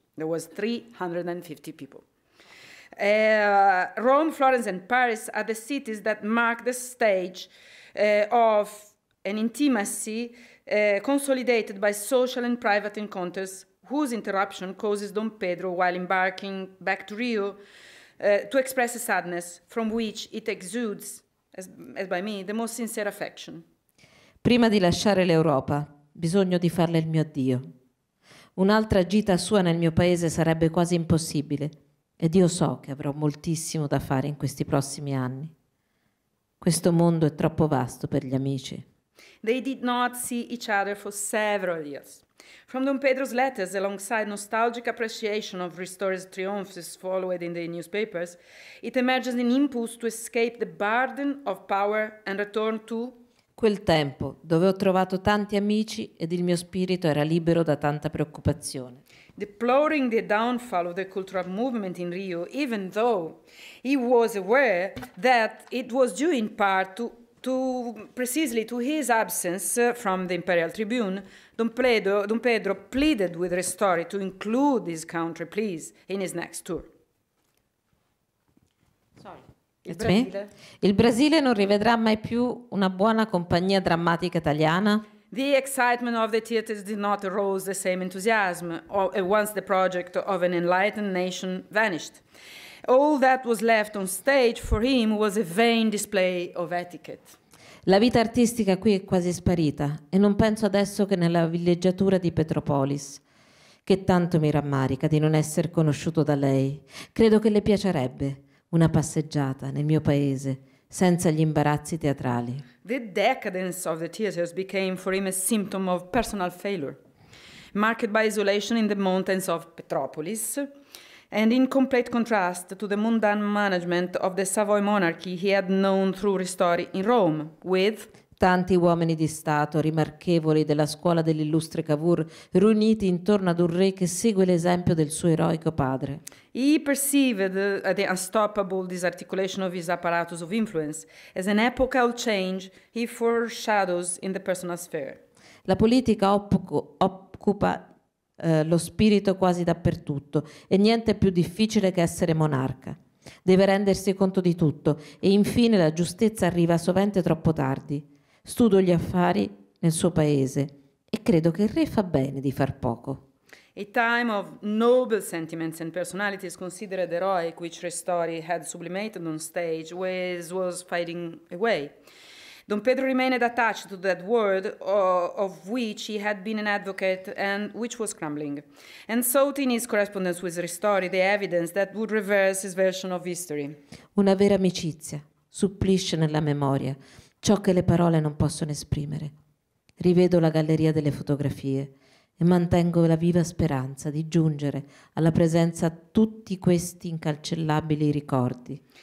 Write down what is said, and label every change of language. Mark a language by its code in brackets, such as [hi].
[en] There was 350 people. Rome, Florence, and Paris are the cities that mark the stage of an intimacy consolidated by social and private encounters whose interruption causes Don Pedro, while embarking back to Rio, to express a sadness from which it exudes, as by me, the most sincere affection. [it] Prima di lasciare l'Europa, bisogno di farle il mio addio. Un'altra gita sua nel mio paese sarebbe quasi impossibile, ed io so che avrò moltissimo da fare in questi prossimi anni. Questo mondo è troppo vasto per gli amici. [en] They did not see each other for several years. From Don Pedro's letters, alongside nostalgic appreciation of Ristori's triumphs followed in the newspapers, it emerges an impulse to escape the burden of power and return to [it] quel tempo dove ho trovato tanti amici ed il mio spirito era libero da tanta preoccupazione. [en] Deploring the downfall of the cultural movement in Rio, even though he was aware that it was due in part to his absence from the Imperial Tribune, Don Pedro pleaded with Ristori to include his country, please, in his next tour. Sorry. [it] Il Brasile non rivedrà mai più una buona compagnia drammatica italiana. [en] The excitement of the theatres did not arouse the same enthusiasm once the project of an enlightened nation vanished. All that was left on stage for him was a vain display of etiquette. [it] La vita artistica qui è quasi sparita e non penso adesso che nella villeggiatura di Petropolis, che tanto mi rammarica di non essere conosciuto da lei. Credo che le piacerebbe una passeggiata nel mio paese senza gli imbarazzi teatrali. [en] The decadence of the theaters became for him a symptom of personal failure, marked by isolation in the mountains of Petropolis and in complete contrast to the mundane management of the Savoy monarchy he had known through Ristori in Rome, with [it] tanti uomini di Stato rimarchevoli della scuola dell'illustre Cavour riuniti intorno ad un re che segue l'esempio del suo eroico padre. [en] He perceived the unstoppable disarticulation of his apparatus of influence as an epochal change he foreshadows in the personal sphere. [it] La politica occupa lo spirito quasi dappertutto e niente è più difficile che essere monarca. Deve rendersi conto di tutto e infine la giustizia arriva sovente troppo tardi. Studio gli affari nel suo paese e credo che il re fa bene di far poco. [en] A time of noble sentiments and personalities considered heroic, which Ristori had sublimated on stage, was fading away. Don Pedro remained attached to that world of which he had been an advocate and which was crumbling, and sought in his correspondence with Ristori the evidence that would reverse his version of history. [it] Una vera amicizia supplisce nella memoria ciò che le parole non possono esprimere. Rivedo la galleria delle fotografie e mantengo la viva speranza di giungere alla presenza tutti questi incalcellabili ricordi.